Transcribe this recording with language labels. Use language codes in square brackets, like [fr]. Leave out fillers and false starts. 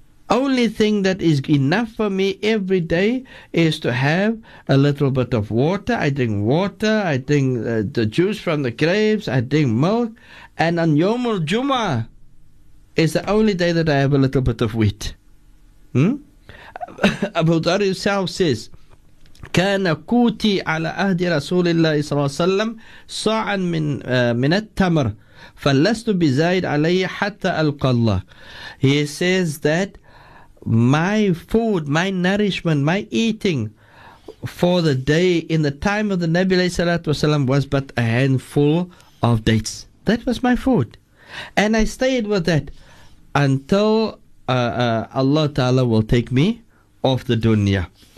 [en] Only thing that is enough for me every day is to have a little bit of water. I drink water, I drink the juice from the grapes, I drink milk. And on Yom al-Jum'ah is the only day that I have a little bit of wheat. Abu Dharr himself says, [ar] كان كوتي على أهد رسول الله صلى الله عليه وسلم صاعا من التمر فلست بزايد علي حتى ألقى الله. [en] He says that my food, my nourishment, my eating for the day in the time of the Nabi صلى الله عليه وسلم was but a handful of dates. That was my food. And I stayed with that until Allah Ta'ala will take me off the dunya.